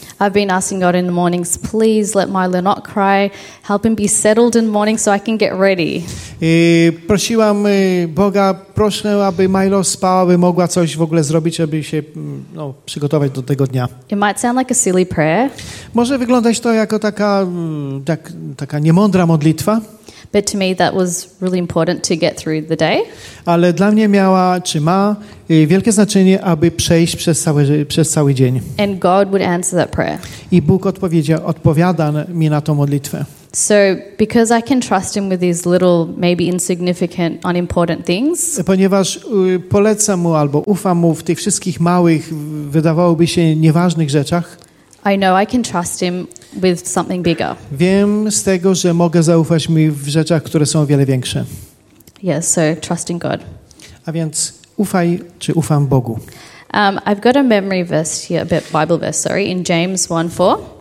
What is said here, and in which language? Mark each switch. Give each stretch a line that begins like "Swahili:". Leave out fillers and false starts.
English: I've been asking God in the mornings, please let Milo not cry, help him be settled in the morning so I can get ready.
Polish: Prosiłam Boga, proszę, aby Milo spała, aby mogła coś w ogóle zrobić, aby się przygotować do tego dnia.
English: It might sound like a silly prayer.
Polish: Może wyglądać to jako taka niemądra modlitwa.
English: But to me that was really important to get through the day.
Polish: Ale dla mnie miała, czy ma, wielkie znaczenie, aby przejść przez cały dzień.
English: And God would answer that prayer.
Polish: I Bóg odpowiada mi na tą modlitwę.
English: So because I can trust him with these little, maybe insignificant, unimportant things.
Polish: Ponieważ polecam mu albo ufam mu w tych wszystkich małych, wydawałoby się nieważnych rzeczach.
English: I know I can trust him with something bigger.
Polish: Wiem z tego, że mogę zaufać mi w rzeczach, które są o wiele większe.
English: Yes, so trusting God.
Polish: A więc ufam Bogu.
English: I've got a memory verse here, a bit Bible verse, sorry, in James 1:4.